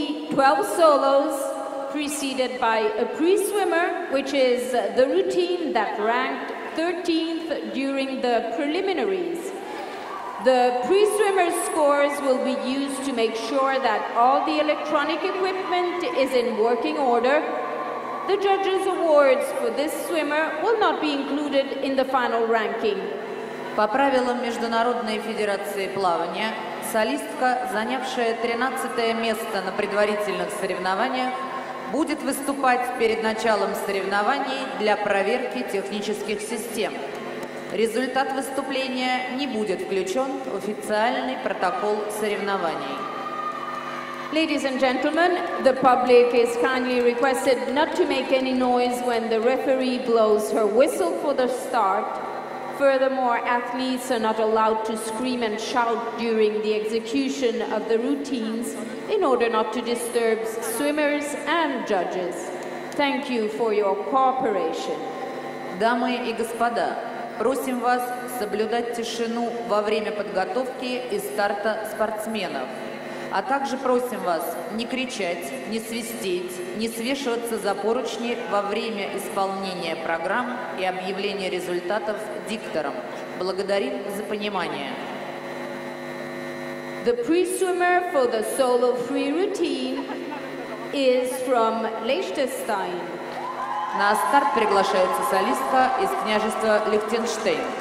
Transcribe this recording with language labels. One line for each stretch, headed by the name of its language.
English: 12 solos, preceded by a pre-swimmer, which is the routine that ranked 13th during the preliminaries. The pre-swimmer scores will be used to make sure that all the electronic equipment is in working order. The judges' awards for this swimmer will not be included in the final ranking.
Russian: По правилам Международной федерации плавания, солистка, занявшая 13 место на предварительных соревнованиях, будет выступать перед началом соревнований для проверки технических систем. Результат выступления не будет включен в официальный протокол соревнований.
English: Ladies and gentlemen, the public is kindly requested not to make any noise when the referee blows her whistle for the start. Furthermore, athletes are not allowed to scream and shout during the execution of the routines in order not to disturb swimmers and judges. Thank you for your cooperation.
Russian: Дамы и господа, просим вас соблюдать тишину во время подготовки и старта спортсменов. А также просим вас не кричать, не свистеть, не свешиваться за поручни во время исполнения программ и объявления результатов дикторам. Благодарим за понимание.
English: The pre-swimmer for the solo free routine is from Liechtenstein.
Russian: На старт приглашается солистка из княжества Лихтенштейн.